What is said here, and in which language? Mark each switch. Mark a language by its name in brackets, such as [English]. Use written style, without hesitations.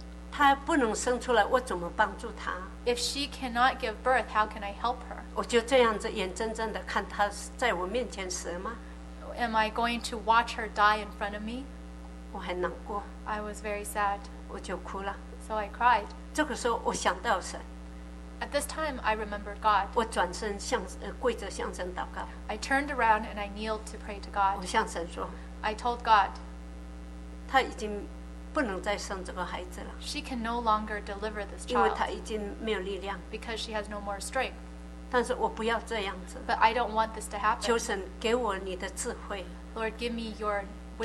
[Chinese] 她不能生出来，我怎么帮助她？ [English] If she cannot give birth, how can I help her? [Chinese] 我就这样子眼睁睁地看她在我面前死吗？ [English] Am I going to watch her die in front of me? [Chinese] 我很难过。 [English] I was very sad. [Chinese] 我就哭了。 [English] So I cried. [Chinese] 这个时候我想到神。 [English] At this time, I remembered God. [Chinese] 我转身向跪着向神祷告。 [English] I turned around and I kneeled to pray to God. [Chinese] 我向神说。 [English] I told God. [Chinese] 她已经不能再生这个孩子了。 [English] She can no longer deliver this child. [Chinese] 因为她已经没有力量。 [English] Because she has no more strength. [Chinese] 但是我不要这样子。 [English] But I don't want this to happen. [Chinese] 求神给我你的智慧。 [English] Lord, give me your wisdom.